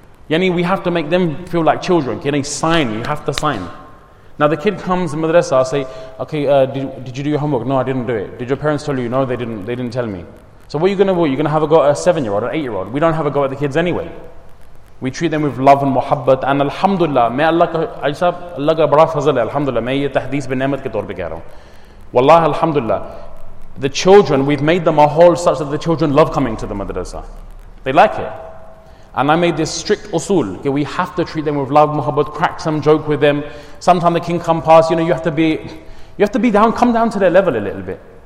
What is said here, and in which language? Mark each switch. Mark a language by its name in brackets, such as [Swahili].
[English] Yani, we have to make them feel like children. Yani, sign, you have to sign. Now the kid comes in madrasa, I say, okay, did you do your homework? No, I didn't do it. Did your parents tell you? No, they didn't tell me. So what are you going to do? You're going to have a go at a 7-year-old, an 8-year-old. We don't have a go at the kids anyway. We treat them with love and muhabbat. [Urdu] اور الحمدللہ، مے اللہ کا بڑا فضل ہے، الحمدللہ، مے یہ تحدیث بن نعمت کے طور پہ کہہ رہا ہوں۔ [Arabic] Wallah, alhamdulillah. [English] The children, we've made the mahal such that the children love coming to the madrasa. They like it. And I made this strict usul. Okay, we have to treat them with love, muhabbat, crack some joke with them. Sometimes the king come past, you know, you have to be down, come down to their level a little bit.